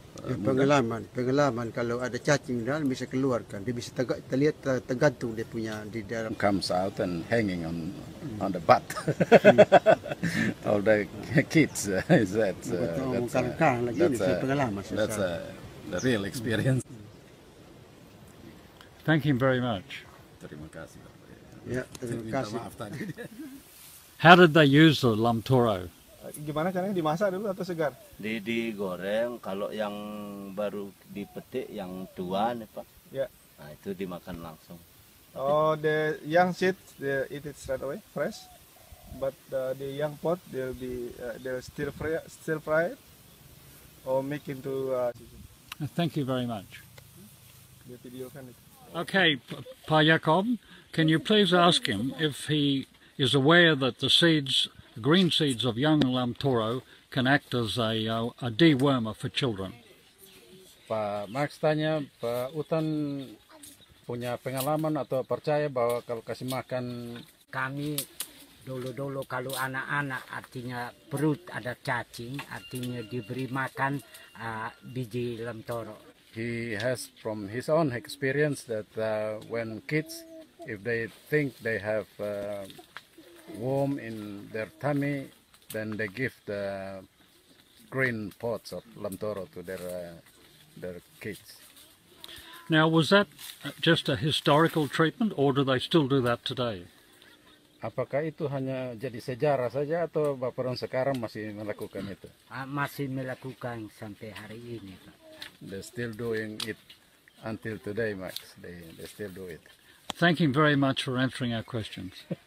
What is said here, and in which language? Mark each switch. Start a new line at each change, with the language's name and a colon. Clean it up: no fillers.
Indonesian: Pengalaman kalau ada cacing dan bisa keluarkan, dia bisa terlihat tergantung dia punya di dalam.
English: Comes out and hanging on the butt of the kids. Is that that's the real experience. Thank him very much.
Indonesian: Terima kasih. Yeah, terima kasih. Minta maaf tadi.
English: How did they use the lumtoro?
Indonesian: Gimana caranya, dimasak dulu atau segar? Digoreng, kalau yang baru dipetik, yang tua nih Pak. Ya. Yeah. Nah, itu dimakan langsung.
English: Oh, the young seed, they eat it straight away, fresh. But the young pot, they'll still fry it. Or make into Thank you very much. The video can it. Okay, Pa Jacob, can you please ask him if he is aware that the seeds, the green seeds of young lumtoro, can act as a dewormer for children?
Indonesian: Pa Max tanya, Pa Utan punya pengalaman atau percaya bahwa kalau kasih makan kami dulu-dulu kalau anak-anak artinya perut ada cacing artinya diberi makan biji lumtoro.
English: He has from his own experience that when kids, if they think they have worm in their tummy, then they give the green pots of lumtoro to their kids. Now, was that just a historical treatment, or do they still do that today?
Indonesian: Apakah itu hanya jadi sejarah saja atau bapak sekarang masih melakukan itu? Masih melakukan sampai hari ini, Pak.
English: They're still doing it until today, Max. They still do it. Thank you very much for answering our questions.